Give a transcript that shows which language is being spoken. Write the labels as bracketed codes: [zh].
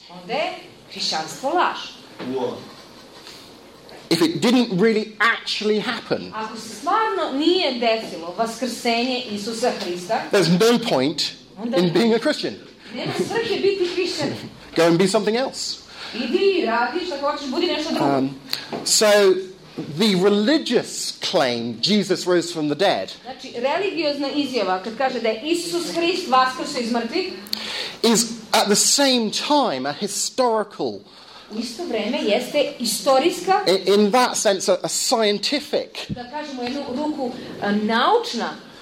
[sr] Onda hrišćanstvo laž. [en] If it didn't really actually happen, [sr] ako se stvarno nije desilo vaskrsenje Isusa Hrista, [en] there's no point in being a Christian. [sr] Nema svrhe biti hrišćan. [en] Go and be something else. [sr] Idi, radi šta hoćeš, budi nešto drugo. [en] So the religious claim Jesus rose from the dead. [sr] Znači religiozna izjava kad kaže da je Isus Hrist vaskrsao iz mrtvih [en] is at the same time a historical. [sr] U isto vrijeme jeste historijska. [en] In that sense a scientific. [sr] Da kažemo jednu ruku naučna.